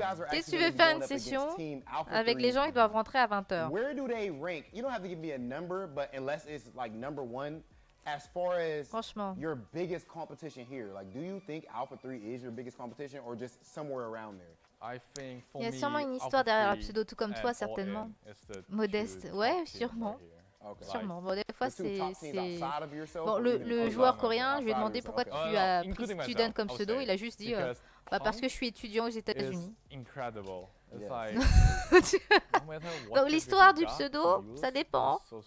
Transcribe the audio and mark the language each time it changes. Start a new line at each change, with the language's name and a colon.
French: Qu'est-ce que tu veux faire une session avec les gens qui doivent rentrer à 20h?
English: Where do they rank? You don't have to give me a number, but unless it's like number one. As far as
French: franchement.
English: Your biggest competition here, like, do you think Alpha 3 is your biggest competition or just somewhere around there?
French: Il y a sûrement une histoire derrière le pseudo, tout comme toi, certainement. Modeste, ouais, sûrement. Okay. Sûrement. Bon, des fois, c'est... Bon, le joueur coréen, je lui ai demandé pourquoi tu as pris Student comme pseudo. Il a juste dit, bah, parce que je suis étudiant aux États-Unis. Donc, l'histoire du pseudo, ça dépend.